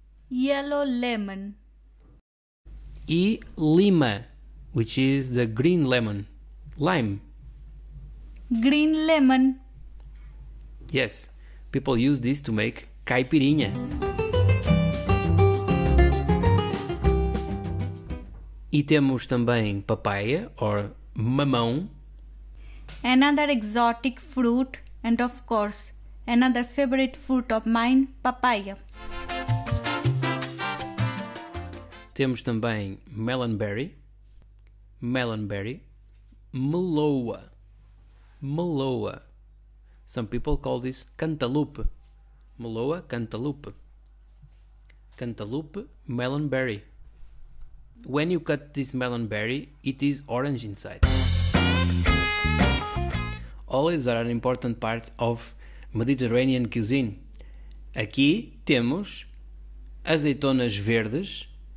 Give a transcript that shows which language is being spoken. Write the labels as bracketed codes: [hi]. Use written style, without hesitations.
[en] Yellow lemon. [pt] E lima, [en] which is the green lemon. Lime. Green lemon. Yes, people use this to make caipirinha. [pt] E temos também papaya or mamão. [en] Another exotic fruit and of course, another favorite fruit of mine, papaya. [pt] Temos também melonberry. Melonberry. Meloa. Meloa. [en] Some people call this cantaloupe. Meloa, cantaloupe. Cantaloupe, melonberry. When you cut this melonberry, it is orange inside. Olives are an important part of Mediterranean cuisine. [pt] Aqui temos azeitonas verdes.